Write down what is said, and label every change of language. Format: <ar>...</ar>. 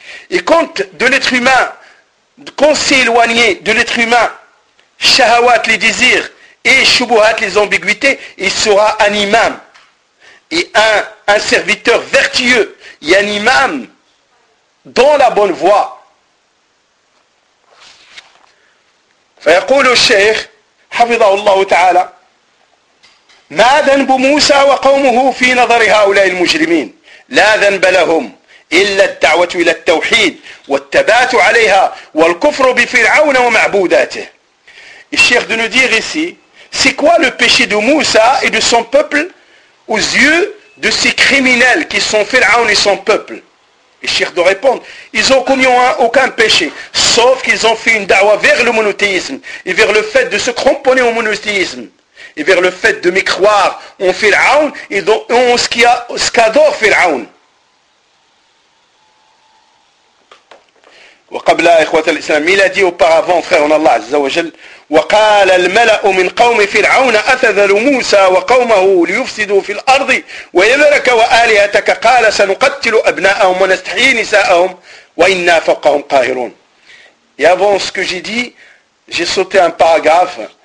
<fr>Et quand de l'être humain, quand s'est éloigné de l'être humain, shahawat, les désirs, et shubuhat, les ambiguïtés, il sera un imam, et un serviteur vertueux, et un imam, dans la bonne voie.</fr> <ar>فيقول الشيخ حفظه الله تعالى ما ذنب موسى وقومه في نظر هؤلاء المجرمين؟ لا ذنب لهم إلا الدعوة إلى التوحيد والتبات عليها والكفر بفرعون ومعبوداته.</ar> <fr>الشيخ de nous dire ici, c'est quoi le péché de Moussa et de son peuple aux yeux de ces criminels qui sont Pharaon et son peuple? Et Cheikh de répondre, ils n'ont commis aucun péché, sauf qu'ils ont fait une dawa vers le monothéisme, et vers le fait de se cramponner au monothéisme, et vers le fait de mécroire en Pharaon, et en ce qu'adore Pharaon.</fr> <ar>وَقَبْلَا إِخْوَةَ الْإِسْلَامِ</ar> <fr>Il a dit auparavant, frère en Allah, Azza wa Jal,</fr> <ar>وَقَالَ الْمَلَأُ مِنْ قَوْمِ فِرْعَوْنَ أَتَذَلُ مُوسَى وَقَوْمَهُ لِيُفْسِدُوا فِي الْأَرْضِ وَيَذَرَكَ وَآلِهَتَكَ قَالَ سَنُقَتِّلُ أَبْنَاءَهُمْ وَنَسْتَحْيِي نِسَاءَهُمْ وَإِنَّا فَوْقَهُمْ قَاهِرُونَ.</ar> <fr>Et avant ce que j'ai dit, j'ai sauté un paragraphe.</fr>